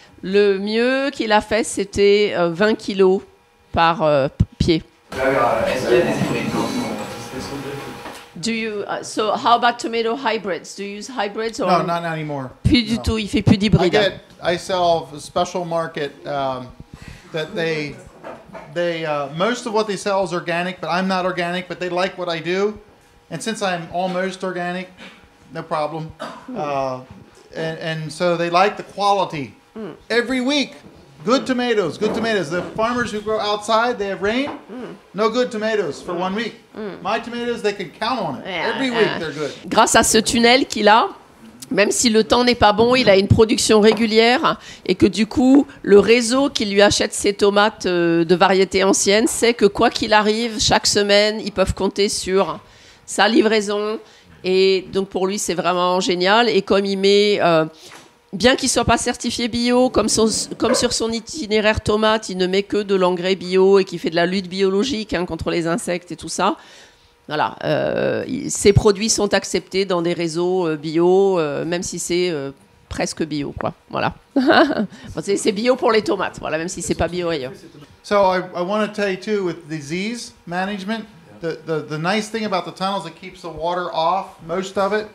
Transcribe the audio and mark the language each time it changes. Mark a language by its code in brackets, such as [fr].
[fr] Le mieux qu'il a fait, c'était 20 kilos par pied. [en] Do you so how about tomato hybrids? Do you use hybrids or no? Not anymore. [fr] Plus du tout. Il fait plus d'hybrides. [en] I sell a special market that they most of what they sell is organic, but I'm not organic. But they like what I do, and since I'm almost organic, no problem. And so they like the quality. Every week, good tomatoes, good tomatoes. The farmers who grow outside, they have rain. No good tomatoes for 1 week. My tomatoes, they can count on it. Every week, they're good. [fr] Grâce à ce tunnel qu'il a, même si le temps n'est pas bon, il a une production régulière et que du coup, le réseau qui lui achète ses tomates de variété ancienne sait que quoi qu'il arrive, chaque semaine, ils peuvent compter sur sa livraison. Et donc pour lui, c'est vraiment génial. Et comme il met... bien qu'il ne soit pas certifié bio, comme sur son itinéraire tomate, il ne met que de l'engrais bio et qu'il fait de la lutte biologique contre les insectes et tout ça. Voilà, ses produits sont acceptés dans des réseaux bio, même si c'est presque bio, quoi. Voilà. c'est bio pour les tomates, voilà, même si ce n'est pas bio ailleurs. [en] So I want to tell you too, with disease management, the nice thing about the tunnels, it keeps the water off most of it.